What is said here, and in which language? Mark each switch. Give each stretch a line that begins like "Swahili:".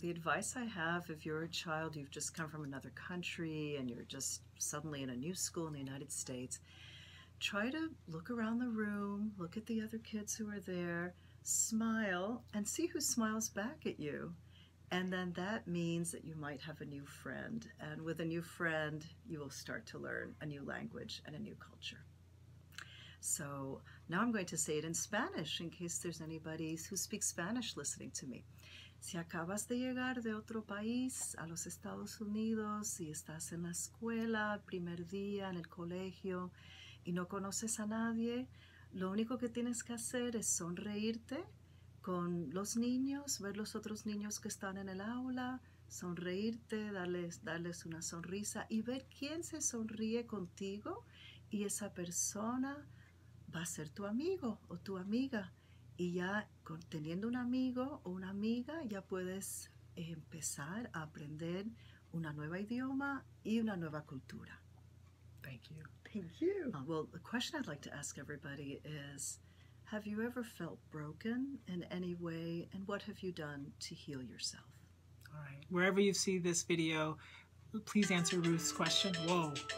English: The advice I have, if you're a child, you've just come from another country and you're just suddenly in a new school in the United States, try to look around the room, look at the other kids who are there, smile, and see who smiles back at you. And then that means that you might have a new friend. And with a new friend, you will start to learn a new language and a new culture. So now I'm going to say it in Spanish in case there's anybody who speaks Spanish listening to me.
Spanish: Si acabas de llegar de otro país a los Estados Unidos y estás en la escuela, primer día en el colegio y no conoces a nadie, lo único que tienes que hacer es sonreírte con los niños, ver los otros niños que están en el aula, sonreírte, darles una sonrisa y ver quién se sonríe contigo y esa persona va a ser tu amigo o tu amiga. Y ya teniendo un amigo o una amiga, ya puedes empezar a aprender una nueva idioma y una nueva cultura.
English: Thank you. Thank you. Well, the question I'd like to ask everybody is, have you ever felt broken in any way, and what have you done to heal yourself? All right. Wherever you see this video, please answer Ruth's question. Whoa.